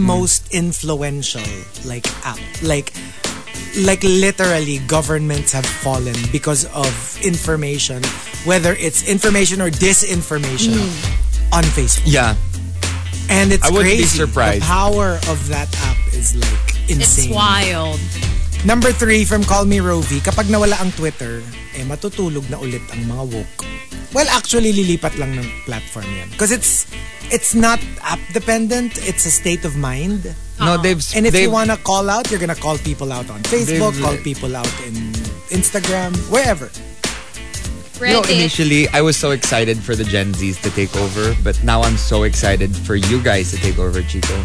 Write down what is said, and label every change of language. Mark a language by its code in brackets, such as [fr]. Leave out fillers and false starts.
[en] most influential like app, like literally governments have fallen because of information, whether it's information or disinformation. Mm. On Facebook. Yeah. And it's I wouldn't crazy. Be surprised. The power of that app is like insane. It's wild. Number three from [tl] Call Me Rovi, kapag nawala ang Twitter, eh matutulog na ulit ang mga woke. Well, actually, lilipat lang ng platform yan. [en] Because it's not app-dependent, it's a state of mind. No, they've... And if they've, you wanna call out, you're gonna call people out on Facebook, call people out in Instagram, wherever. You know, initially, I was so excited for the Gen Zs to take over, but now I'm so excited for you guys to take over, Chico.